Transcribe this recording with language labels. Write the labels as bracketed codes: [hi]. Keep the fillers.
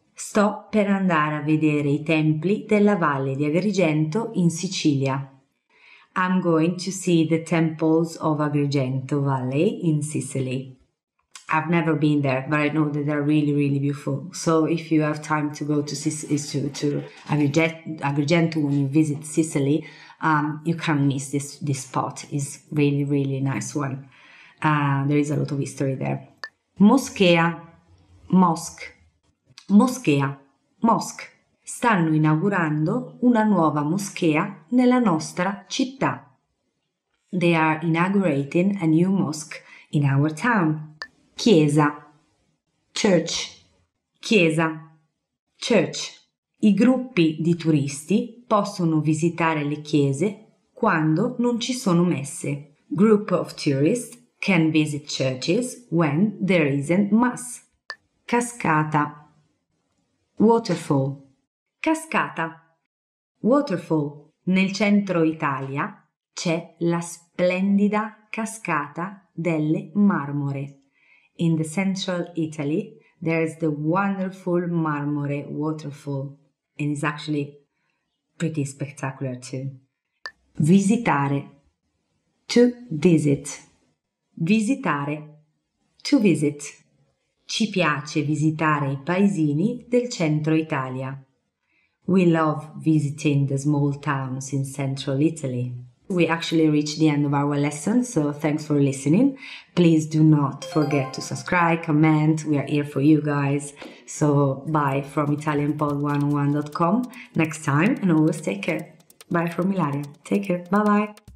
[it] Sto per andare a vedere i templi della valle di Agrigento in Sicilia. [en] I'm going to see the temples of Agrigento Valley in Sicily. I've never been there, but I know that they're really, really beautiful. So if you have time to go to, to, to Agrigento when you visit Sicily, um, you can't miss this, this spot. It's really, really nice one. Uh, there is a lot of history there. [it] Moschea, mosque. Moschea, Mosque, stanno inaugurando una nuova moschea nella nostra città. [en] They are inaugurating a new mosque in our town. [it] Chiesa, Church, Chiesa, Church. I gruppi di turisti possono visitare le chiese quando non ci sono messe. [en] Group of tourists can visit churches when there isn't mass. [it] Cascata, Cascata. Waterfall. Cascata. Waterfall. Nel centro Italia c'è la splendida cascata delle marmore. [en] In the central Italy there is the wonderful marmore waterfall and it's actually pretty spectacular too. [it] Visitare. To visit. Visitare. To visit. Ci piace visitare i paesini del centro Italia. [en] We love visiting the small towns in central Italy. We actually reached the end of our lesson, so thanks for listening. Please do not forget to subscribe, comment, we are here for you guys. So bye from ItalianPod101.com next time and always take care. Bye from Ilaria. Take care. Bye bye.